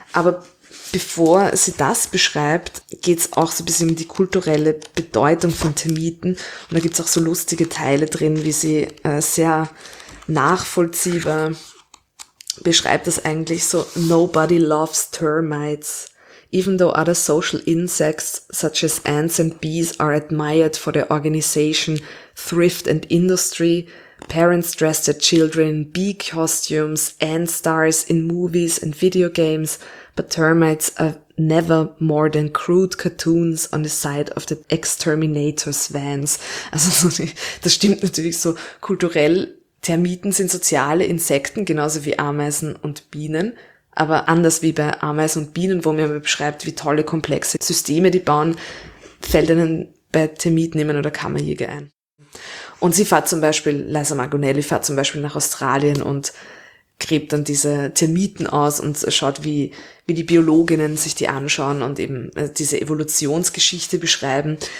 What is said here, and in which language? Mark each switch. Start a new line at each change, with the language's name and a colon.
German: Aber bevor sie das beschreibt, geht es auch so ein bisschen um die kulturelle Bedeutung von Termiten. Und da gibt es auch so lustige Teile drin, wie sie sehr nachvollziehbar beschreibt, dass eigentlich so
English: nobody loves termites. Even though other social insects, such as ants and bees, are admired for their organization, thrift and industry, parents dress their children in bee costumes, ant stars in movies and video games, but termites are never more than crude cartoons on the side of the exterminators' vans.
German: Also, das stimmt natürlich so kulturell. Termiten sind soziale Insekten, genauso wie Ameisen und Bienen. Aber anders wie bei Ameisen und Bienen, wo man beschreibt, wie tolle, komplexe Systeme die bauen, fällt einem bei Termitnehmern oder Kammerjäger ein. Und sie fährt zum Beispiel, Liza Magonelli fährt zum Beispiel nach Australien und gräbt dann diese Termiten aus und schaut, wie die Biologinnen sich die anschauen und eben diese Evolutionsgeschichte beschreiben.